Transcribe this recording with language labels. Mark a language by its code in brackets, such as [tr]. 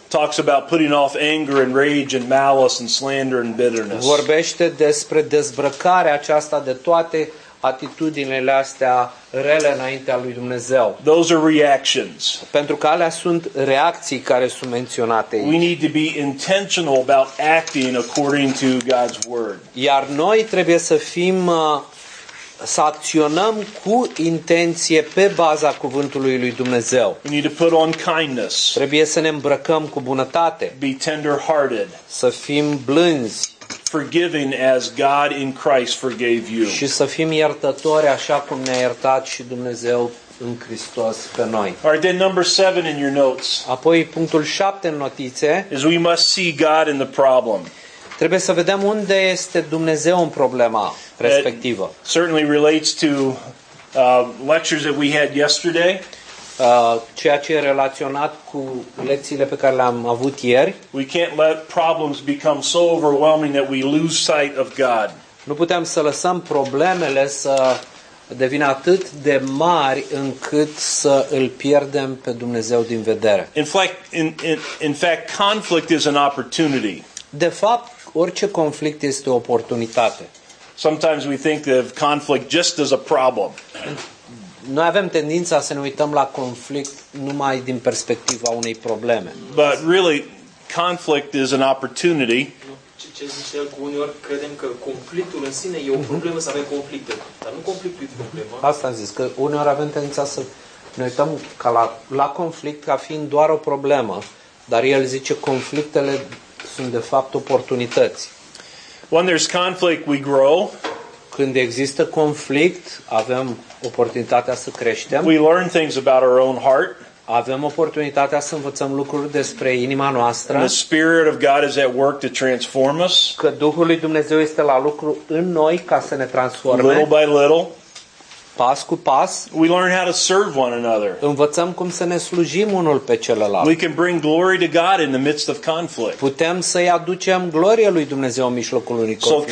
[en] talks about putting off anger and rage and malice and slander and bitterness. [ro] Vorbește despre dezbrăcarea aceasta de toate atitudinile astea rele înaintea lui Dumnezeu. [en] Those are reactions. [ro] Pentru că alea sunt reacții care sunt menționate aici. [en] We need to be intentional about acting according to God's word. [ro] Iar noi trebuie să fim să acționăm cu intenție pe baza cuvântului lui Dumnezeu. [en] We need to put on kindness. [ro] Trebuie să ne îmbrăcăm cu bunătate. [en] Be tender-hearted. [ro] Să fim blânzi. [en] forgiving as God in Christ forgave you. [ro] Și să fim iertători așa cum ne-a iertat și Dumnezeu în Hristos pe noi. [en] All right, then number 7 in your notes. [ro] Apoi punctul 7 în notițe. [en] Is we must see God in the problem. [ro] Trebuie să vedem unde este Dumnezeu în problema respectivă. [en] That certainly relates to lectures that we had yesterday. [ro] Ceea ce e relaționat cu lecțiile pe care le-am avut ieri. [en] We can't let problems become so overwhelming that we lose sight of God. [ro] Nu putem să lăsăm problemele să devină atât de mari încât să îl pierdem pe Dumnezeu din vedere. [en] In fact, conflict is an opportunity. [ro] De fapt, orice conflict este o oportunitate. [en] Sometimes we think of conflict just as a problem. [ro] Noi avem tendința să ne uităm la conflict numai din perspectiva unei probleme. [en] But really, conflict is an opportunity. [ro] Ce zice el, cu uneori credem că conflictul în sine e o problemă, să avem conflicte. Dar nu conflictul e problema. Asta am zis, că uneori avem tendința să ne uităm ca la conflict ca fiind doar o problemă. Dar el zice, conflictele sunt de fapt oportunități. [en] When there's conflict, we grow. [ro] Când există conflict, avem oportunitatea să creștem. [en] We learn things about our own heart. [ro] Avem oportunitatea să învățăm lucruri despre inima noastră. [en] And the Spirit of God is at work to transform us. [ro] Că Duhul lui Dumnezeu este la lucru în noi ca să ne transforme. [en] Little by little. [ro] Pas cu pas. [en] We learn how to serve one another. [ro] Învățăm cum să ne slujim unul pe celălalt. [en] We can bring glory to God in the midst of conflict. [ro] Putem să -i aducem gloria lui Dumnezeu în mijlocul unui conflict.